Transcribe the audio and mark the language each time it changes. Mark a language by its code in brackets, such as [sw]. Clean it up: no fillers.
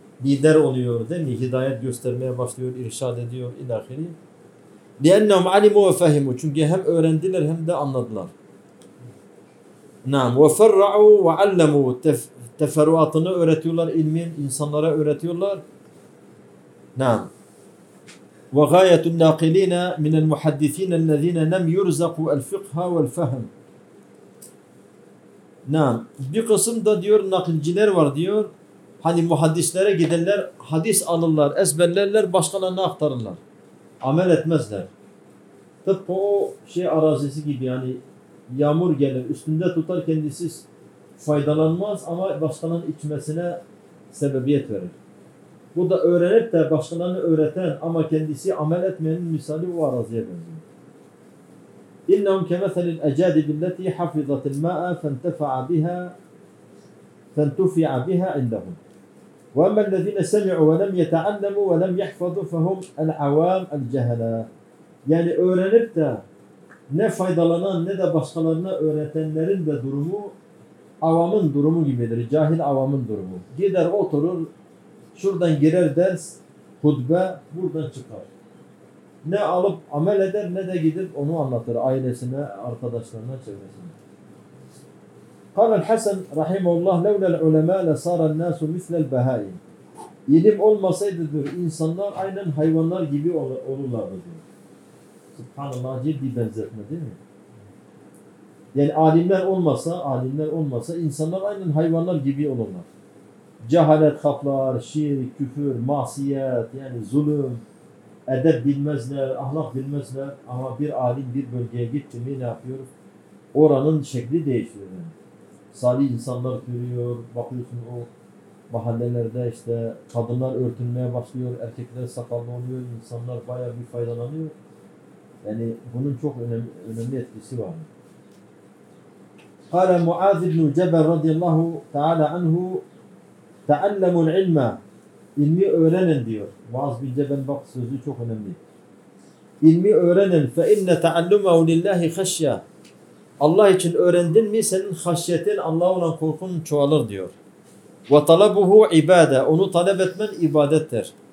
[tr] Lider oluyor değil mi? Hidayet göstermeye başlıyor, irşad ediyor ilahiri. [ar] لِأَنَّهُمْ عَلِمُوا وَفَهِمُوا [tr] çünkü hem öğrendiler hem de anladılar. [ar] نَعَمْ وَفَرَّعُوا وَعَلَّمُوا [tr] teferruatını öğretiyorlar ilmin, insanlara öğretiyorlar. [ar] نَعَمْ وَغَايَةُ النَّاقِلِينَ مِنَ الْمُحَدِّثِينَ الَّذِينَ نَمْ يُرْزَقُوا الْفِقْهَ وَالْفَهَمُ نَعَمْ [tr] bir kısım da diyor nakilciler var diyor. Hani muhaddislere giderler, hadis alırlar, ezberlerler, başkalarına aktarırlar. Amel etmezler. Tıpkı o şey arazisi gibi yani yağmur gelir, üstünde tutar kendisi faydalanmaz ama başkalarının içmesine sebebiyet verir. Bu da öğrenip de başkalarını öğreten ama kendisi amel etmeyenin misali o araziye benziyor. [ar] اِنَّهُمْ كَمَثَلِ الْاَجَادِبِ اللَّتِي حَفِظَتِ الْمَاءَ فَانْتَفَعَ بِهَا فَانْتُفِعَ بِهَا اِلَّهُمْ وَأَمَّا الَّذِينَ سَمِعُوا وَلَمْ يَتَعَلَّمُوا وَلَمْ يَحْفَظُوا فَهُمْ الْعَوَامُ الْجَهَلَاءِ [tr] yani öğrenip de ne faydalanan ne de başkalarına öğretenlerin de durumu avamın durumu gibidir. Cahil avamın durumu. Gider oturur, şuradan girer ders, hutbe, buradan çıkar. Ne alıp amel eder ne de gidip onu anlatır ailesine, arkadaşlarına, çevresine. [ar] قال الحسن رحمه الله لولا العلماء لصار الناس مثل البهائم. [tr] İlim olmasaydı diyor insanlar aynen hayvanlar gibi olurlardı diyor. Subhanallah ciddi benzetme değil mi? Yani alimler olmasa insanlar aynen hayvanlar gibi olurlar. Cehalet kaplar, şirk, küfür, masiyet yani zulüm, edep bilmezler, ahlak bilmezler ama bir alim bir bölgeye gitti mi ne yapıyor? Oranın şekli değişiyor yani. Salih insanlar görüyor, bakıyorsun o mahallelerde işte kadınlar örtünmeye başlıyor, erkekler sakallı oluyor, insanlar bayağı bir faydalanıyor. Yani bunun çok önemli etkisi var. [ar] قال معاذ بن جبل رضي الله تعالى عنه تعلموا العلم [tr] ilmi öğrenin diyor. Muaz bin Cebel bak sözü çok önemli. İlmi öğrenin [ar] fe inne taallumu lillahi haşya. [tr] Allah için öğrendin mi senin haşyetin Allah'a olan korkun çoğalır diyor. [ar] Ve talabuhu ibade. [tr] Onu talep etmen ibadettir.